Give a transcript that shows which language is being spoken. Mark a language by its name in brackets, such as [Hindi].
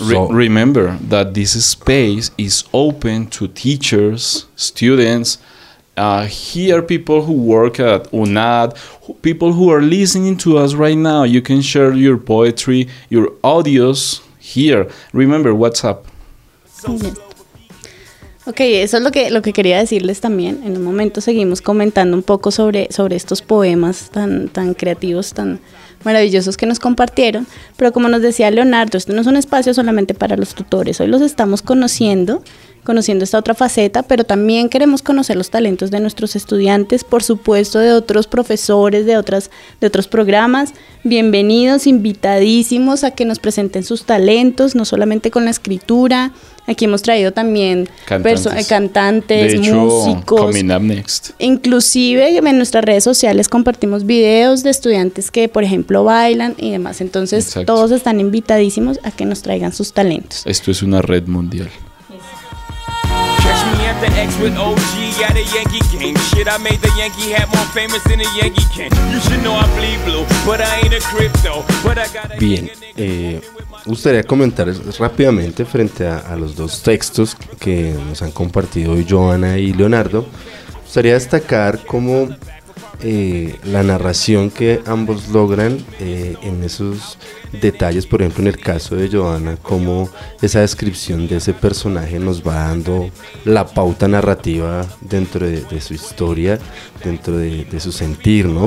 [English] Remember that this space is open to teachers, students, here people who work at UNAD, people who are listening to us right now. You can share your poetry, your audios here. Remember, WhatsApp. [Spanish] Ok, eso es lo que quería decirles también. En un momento seguimos comentando un poco sobre estos poemas tan creativos, tan maravillosos que nos compartieron. Pero como nos decía Leonardo, esto no es un espacio solamente para los tutores. Hoy los estamos conociendo esta otra faceta, pero también queremos conocer los talentos de nuestros estudiantes, por supuesto de otros profesores, de otros programas. Bienvenidos, invitadísimos a que nos presenten sus talentos, no solamente con la escritura. Aquí hemos traído también cantantes, de músicos. [English] Coming up next. [Spanish] Inclusive en nuestras redes sociales compartimos videos de estudiantes que, por ejemplo, bailan y demás. Entonces, exacto, todos están invitadísimos a que nos traigan sus talentos. Esto es una red mundial. [English] The X with OG at a Yankee game. Shit, I made the Yankee hat more famous than a Yankee can. You should know I bleed blue, but I ain't a crypto. But I got a [Spanish] bien. Gustaría comentar rápidamente frente a los dos textos que nos han compartido hoy Joana y Leonardo. Gustaría destacar cómo la narración que ambos logran en esos detalles, por ejemplo en el caso de Johanna, cómo esa descripción de ese personaje nos va dando la pauta narrativa dentro de su historia, dentro de su sentir, ¿no?